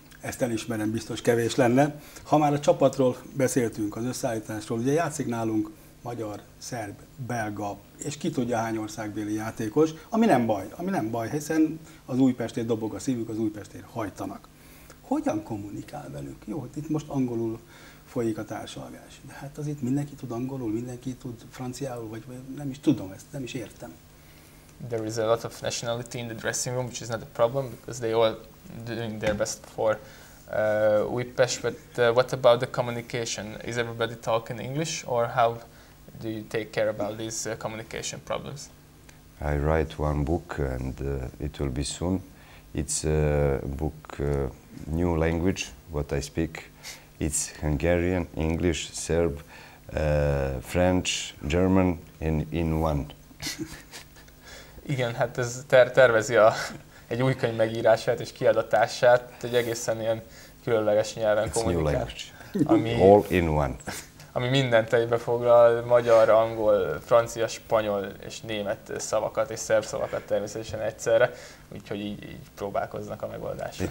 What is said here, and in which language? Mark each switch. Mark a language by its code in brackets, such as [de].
[hu] Ezt elismerem, biztos kevés lenne. Ha már a csapatról beszéltünk, az összeállításról, ugye játszik nálunk magyar, szerb, belga, és ki tudja hány országbéli játékos, ami nem baj, hiszen az Újpestért dobog a szívük, az Újpestért hajtanak. Hogyan kommunikál velük? Jó, itt most angolul folyik a társalgás. De hát azért mindenki tud angolul, mindenki tud franciául, vagy nem is tudom ezt, nem is értem. [en] There is a lot of nationality in the dressing room, which is not a problem, because they all doing their best for Újpest, but what about the communication? Is everybody talking English, or how do you take care about these communication problems? I write one book, and it will be soon. It's a book, new language, what I speak. It's Hungarian, English, Serb, French, German in one. [hu] Igen, hát ez tervezi egy új könyv megírását és kiadatását, egy egészen ilyen különleges nyelven kommunikál. Ami [en] all in one. [hu] Ami mindent egybefoglal, magyar, angol, francia, spanyol és német szavakat és szerb szavakat természetesen egyszerre, úgyhogy így próbálkoznak a megoldásra.